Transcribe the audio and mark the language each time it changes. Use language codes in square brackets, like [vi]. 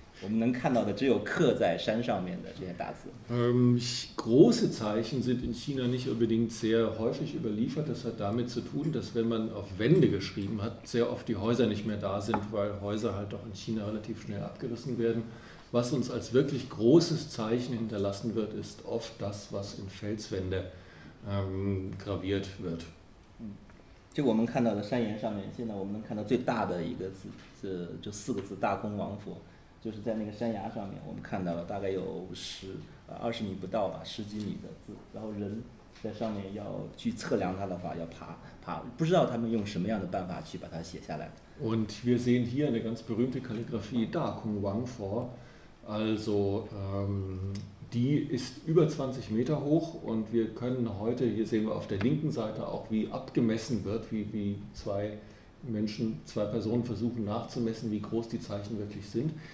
[de] Große Zeichen sind in China nicht unbedingt sehr häufig überliefert. Das hat damit zu tun, dass wenn man auf Wände geschrieben hat, sehr oft die Häuser nicht mehr da sind, weil Häuser halt auch in China relativ schnell abgerissen werden. Was uns als wirklich großes Zeichen hinterlassen wird, ist oft das, was in Felswände graviert wird. [zh] 就我们看到的山岩上面，现在我们能看到最大的一个字，就四个字"大空王佛"，就是在那个山崖上面，我们看到了大概有十二十米不到吧，十几米的字。然后人在上面要去测量它的话，要爬，不知道他们用什么样的办法去把它写下来。 [de] Und wir sehen hier eine ganz berühmte Kalligrafie Da Kung Wang Fo. Also die ist über 20 Meter hoch und wir können heute, hier sehen wir auf der linken Seite auch, wie abgemessen wird, wie zwei Menschen, zwei Personen versuchen nachzumessen, wie groß die Zeichen wirklich sind.